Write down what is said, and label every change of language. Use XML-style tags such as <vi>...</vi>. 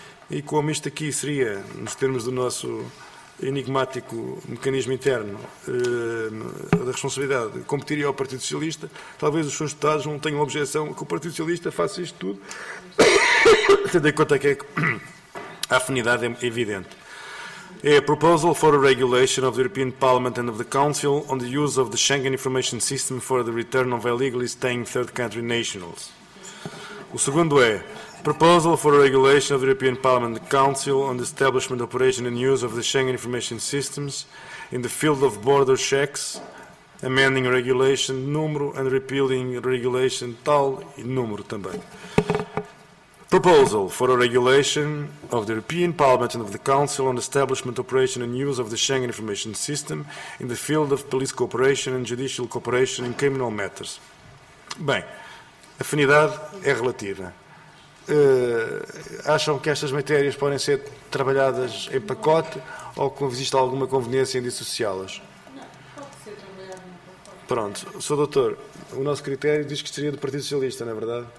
<pt>E como isto aqui seria, nos termos do nosso enigmático mecanismo interno da responsabilidade, competiria ao Partido Socialista, talvez os seus deputados não tenham objeção que o Partido Socialista faça isto tudo, tendo em conta que a afinidade é evidente. É a</pt> <en>proposal for a regulation of the European Parliament and of the Council on the use of the Schengen Information System for the return of illegally staying third country nationals.</en> <pt>O segundo é</pt> <en>proposal for a regulation of the European Parliament and the Council on the establishment, operation and use of the Schengen Information Systems in the field of border checks, amending regulation</en> <pt>número</pt> <en>and repealing regulation</en> <pt>tal e número também.</pt> <en>Proposal for a regulation of the European Parliament and of the Council on the establishment, operation and use of the Schengen Information System in the field of police cooperation and judicial cooperation in criminal matters.</en> <pt>Bem, afinidade é relativa. Acham que estas matérias podem ser trabalhadas em pacote ou que existe alguma conveniência em dissociá-las? Não, pode ser trabalhado em pacote. Pronto. Sr. Doutor, o nosso critério diz que seria do Partido Socialista, não é verdade?</pt>